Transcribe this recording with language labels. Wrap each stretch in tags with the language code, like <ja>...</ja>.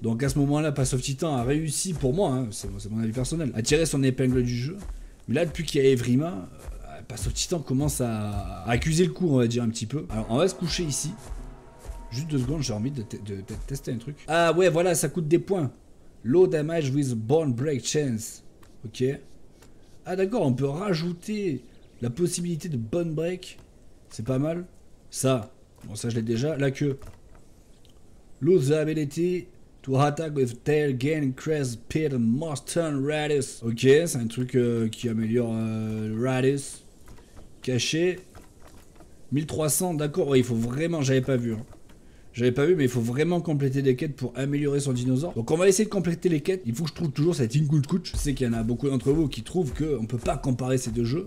<fr>Donc à ce moment-là, Pass of Titan a réussi, pour moi, hein, c'est mon avis personnel, à tirer son épingle du jeu. Mais là, depuis qu'il y a Evrima, elle passe au Titan, commence à accuser le coup, on va dire, un petit peu. Alors, on va se coucher ici. Juste deux secondes, j'ai envie de tester un truc. Ah ouais, voilà, ça coûte des points.</fr> <en>Low damage with bone break chance. Ok.</en> <fr>Ah d'accord, on peut rajouter la possibilité de bone break. C'est pas mal. Ça, bon ça je l'ai déjà. La queue.</fr> <en>Lose the ability to attack with tail gain increase speed most turn radius.</en> <fr>Ok, c'est un truc qui améliore radius. Caché. 1300, d'accord. Ouais, il faut vraiment, j'avais pas vu. Hein. J'avais pas vu, mais il faut vraiment compléter des quêtes pour améliorer son dinosaure. Donc on va essayer de compléter les quêtes. Il faut que je trouve toujours cette Inkulkutch. Je sais qu'il y en a beaucoup d'entre vous qui trouvent qu'on peut pas comparer ces deux jeux.</fr>